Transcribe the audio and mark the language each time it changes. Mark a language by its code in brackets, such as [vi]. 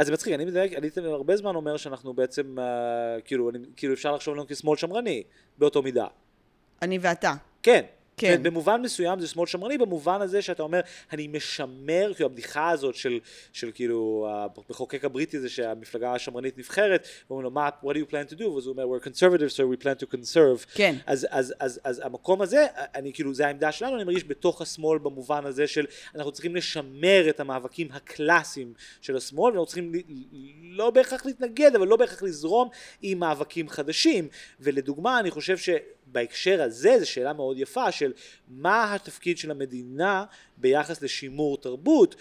[he] אז זה מצחיק, אני מדייק, אני אתם הרבה זמן אומר שאנחנו בעצם, כאילו אפשר לחשוב לנו כשמאל שמרני, באותו מידה. אני ואתה. כן. כן. במובן מסוים זה שמאל שמרני, במובן הזה שאתה אומר, אני משמר, כאילו הבדיחה הזאת של, של כאילו, בחוקק הבריטי זה שהמפלגה השמרנית נבחרת, ואומרים לו, מה, [en] what do you plan to do? [he] אז הוא אומר, [en] we're conservative, so we plan to conserve. [he] כן. אז, אז, אז, אז, אז המקום הזה, אני, כאילו, זה העמדה שלנו, אני מרגיש בתוך השמאל במובן הזה של, אנחנו צריכים לשמר את המאבקים הקלאסיים של השמאל, ואנחנו צריכים לא בהכרח להתנגד, אבל לא בהכרח לזרום עם מאבקים חדשים. ולדוגמה, אני חושב ש... בהקשר הזה, זו שאלה מאוד יפה של מה התפקיד של המדינה ביחס לשימור תרבות.